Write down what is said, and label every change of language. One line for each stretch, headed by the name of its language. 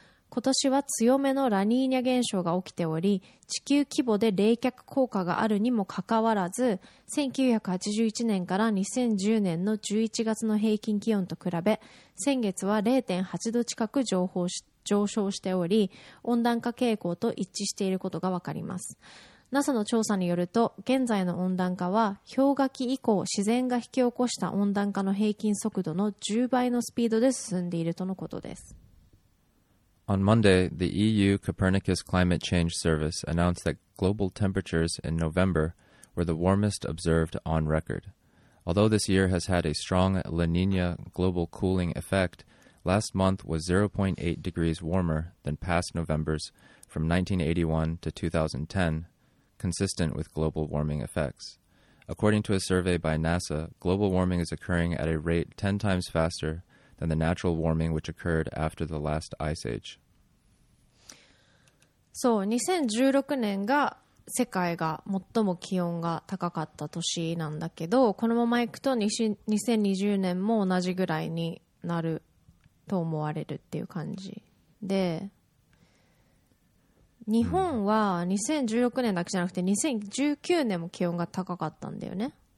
Japanese: 今年は強めのラニーニャ現象が起きており、地球規模で冷却効果があるにもかかわらず、1981年から2010年の11月の平均気温と比べ、先月は 0.8 度近く上昇しており、温暖化傾向と一致していることがわかります。 NASA の調査によると、現在の温暖化は氷河期以降自然が引き起こした温暖化の平均速度の10倍のスピードで進んでいるとのことです。
English: On Monday, the EU Copernicus Climate Change Service announced that global temperatures in November were the warmest observed on record. Although this year has had a strong La Niña global cooling effect, last month was 0.8 degrees warmer than past Novembers from 1981 to 2010, consistent with global warming effects. According to a survey by NASA, global warming is occurring at a rate 10 times faster than the natural warming which occurred after the last ice age.
Japanese: そう、2016年が世界が最も気温が高かった年なんだけど、このままいくと2020年も同じぐらいになると思われるっていう感じで、日本は2016年だけじゃなくて2019年も気温が高かったんだよね。